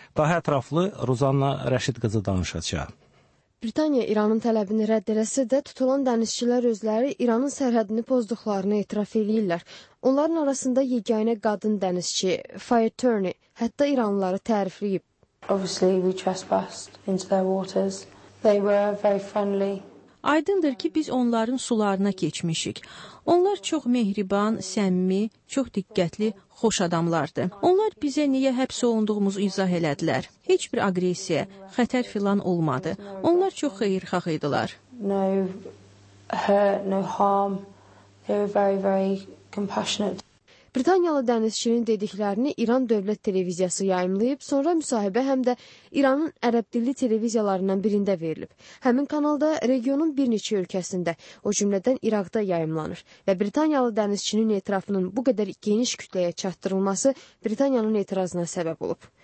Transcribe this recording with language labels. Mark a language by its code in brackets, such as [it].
[az] Daha ətraflı Ruzanna Rəşid qızı danışacaq. Britaniya İranın tələbini rədd eləsə də tutulan dənizçilər özləri İranın sərhədini pozduqlarını etiraf edirlər. Onların arasında yeganə qadın dənizçi, Fire Turney, hətta İranlıları tərifləyib. [en] Obviously, we trespassed into their waters. They were very friendly. [az] Aydındır ki, biz onların sularına keçmişik. Onlar çox mehriban, səmimi, çox diqqətli, xoş adamlardı. Onlar bizə niyə həbs olunduğumuzu izah elədilər. Heç bir aqressiya, xətər filan olmadı. Onlar çox xeyirxah idilər. [en] No hurt, no harm. They were very, very compassionate. [az] Britaniyalı dənizçinin dediklərini İran Dövlət Televiziyası yayımlayıb, sonra müsahibə həm də İranın ərəb dilli televiziyalarından birində verilib. Həmin kanalda regionun bir neçə ölkəsində, o cümlədən İraqda yayımlanır və Britaniyalı dənizçinin etirafının bu qədər geniş kütləyə çatdırılması Britaniyanın etirazına səbəb olub.